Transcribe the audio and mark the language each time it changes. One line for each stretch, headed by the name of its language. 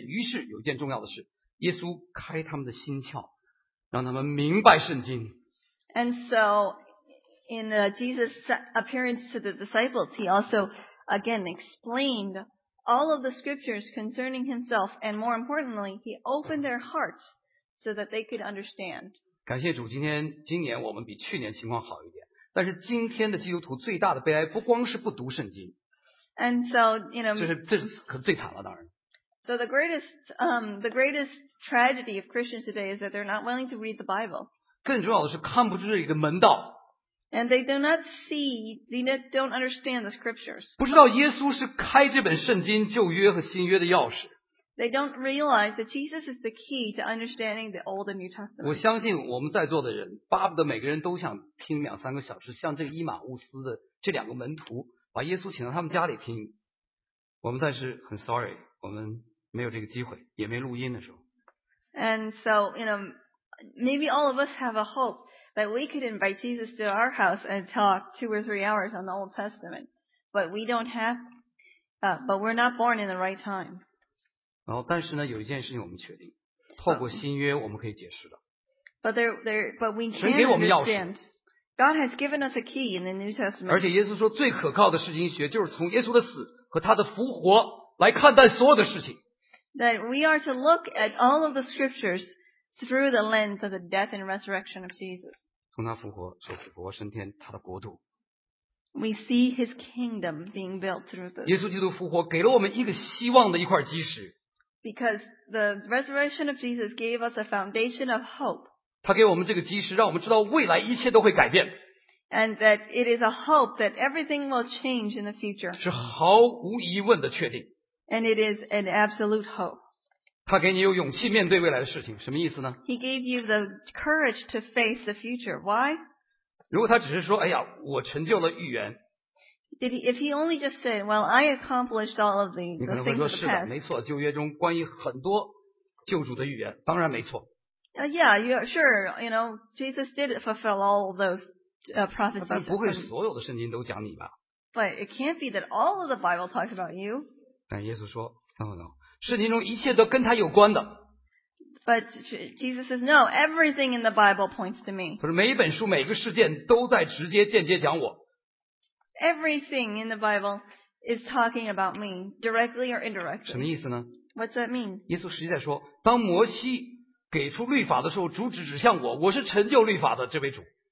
Chinese: 于是有一件重要的事，耶稣开他们的心窍，让他们明白圣经。
English: And so in Jesus' appearance to the disciples, he also again explained all of the scriptures concerning himself, and more importantly, he opened their hearts so that they could understand.
Chinese: 感谢主，今年我们比去年情况好一点，但是今天的基督徒最大的悲哀不光是不读圣经。
English: And so, you know,
Chinese: 这是可最惨了，当然。
English: So the greatest tragedy of Christians today is that they're not willing to read the Bible.
Chinese: 更重要的是看不出这一个门道。
English: And they don't understand the scriptures.
Chinese: 不知道耶稣是开这本圣经旧约和新约的钥匙。
English: They don't realize that Jesus is the key to understanding the Old and New Testament.
Chinese: 我相信我们在座的人，巴不得每个人都想听两三个小时，像这个伊马忤斯的这两个门徒，把耶稣请到他们家里听。我们但是很 sorry， 我们没有这个机会，也没录音的时候。
English: And so, you know, maybe all of us have a hope that we could invite Jesus to our house and talk 2 or 3 hours on the Old Testament, but we don't have, but we're not born in the right time.
Chinese: 然后，但是呢，有一件事情我们确定，透过新约我们可以解释的。
English: But we can understand. God has given us a key in the New Testament.
Chinese: 而且耶稣说，最可靠的释经学就是从耶稣的死和他的复活来看待所有的事情。
English: That we are to look at all of the scriptures through the lens of the death and resurrection of Jesus.
Chinese: 从他复活、受死、复活、升天，他的国度。
English: We see his kingdom being built through this.
Chinese: 耶稣基督复活给了我们一个希望的一块基石。
English: Because the resurrection of Jesus gave us a foundation of hope.
Chinese: 他给我们这个基石，让我们知道未来一切都会改变。
English: And that it is a hope that everything will change in the future.
Chinese: 是毫无疑问的确定。
English: And it is an absolute hope.
Chinese: 他给你有勇气面对未来的事情，什么意思呢？
English: He gave you the courage to face the future. Why?
Chinese: 如果他只是说，哎呀，我成就了预言。
English: If he only just said, well, I accomplished all of the things in the past.
Chinese: 你可能会说，是的，没错，旧约中关于很多救主的预言，当然没错。
English: Yeah, yeah, sure. You know, Jesus did fulfill all of those prophecies.
Chinese: 但不会所有的圣经都讲你吧？
English: But it can't be that all of the Bible talks about you.
Chinese: 但耶稣说 ，No. 圣经中一切都跟他有关的。
English: But Jesus says, no, everything in the Bible points to me.
Chinese: 不是每一本书、每个事件都在直接、间接讲我。
English: Everything in the Bible is talking about me, directly or indirectly.
Chinese: 什么意思呢
English: ？What's that mean?
Chinese: 耶稣实际在说，当摩西给出律法的时候，主旨指向我，我是成就律法的这位主。